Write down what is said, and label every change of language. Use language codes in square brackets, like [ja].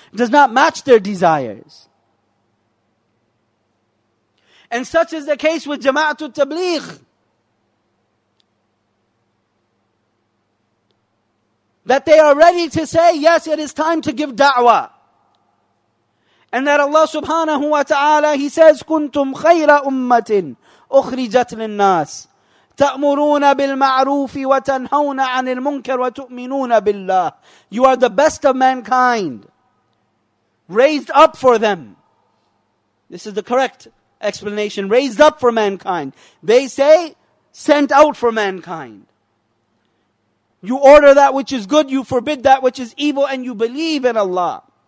[en] It does not match their desires. And such is the case with Jama'atul Tabligh. That they are ready to say, yes, it is time to give da'wah. And that Allah subhanahu wa ta'ala, He says, [ar] كُنْتُمْ خَيْرَ أُمَّةٍ أُخْرِجَتْ لِلنَّاسِ تَأْمُرُونَ بِالْمَعْرُوفِ وَتَنْهَوْنَ عَنِ الْمُنْكَرِ وَتُؤْمِنُونَ بِاللَّهِ. [en] You are the best of mankind, raised up for them. This is the correct explanation. Raised up for mankind. They say, sent out for mankind. You order that which is good, you forbid that which is evil, and you believe in Allah.